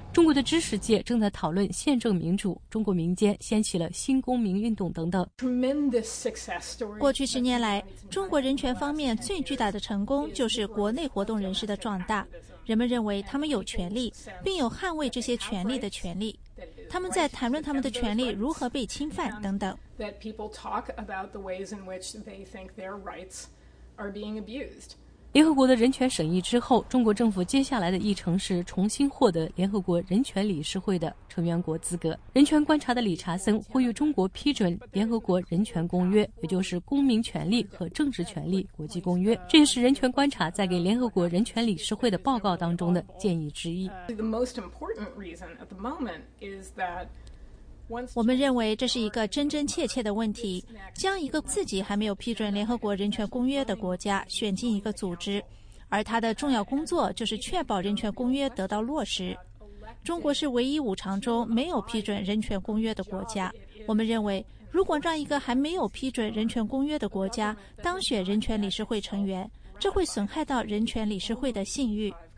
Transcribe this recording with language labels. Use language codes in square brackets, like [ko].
[zh] 中国的知识界正在讨论宪政民主，中国民间掀起了新公民运动等等。过去十年来，中国人权方面最巨大的成功就是国内活动人士的壮大，人们认为他们有权利，并有捍卫这些权利的权利，他们在谈论他们的权利如何被侵犯等等。 [en] That people talk about the ways in which they think their rights are being abused. [zh] 联合国的人权审议之后，中国政府接下来的议程是重新获得联合国人权理事会的成员国资格。人权观察的理查森呼吁中国批准联合国人权公约，也就是《公民权利和政治权利国际公约》，这也是人权观察在给联合国人权理事会的报告当中的建议之一。 [en] The most important reason at the moment is that. [zh] 我们认为这是一个真真切切的问题，将一个自己还没有批准联合国人权公约的国家选进一个组织，而它的重要工作就是确保人权公约得到落实。中国是唯一五常中没有批准人权公约的国家，我们认为如果让一个还没有批准人权公约的国家当选人权理事会成员，这会损害到人权理事会的信誉。